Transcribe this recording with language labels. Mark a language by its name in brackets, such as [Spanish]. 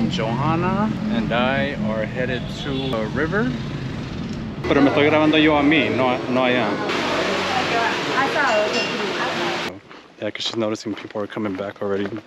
[English] Johanna and I are headed to a river. [Spanish] Pero me estoy grabando yo a mí, no allá. [English] Yeah, because she's noticing people are coming back already.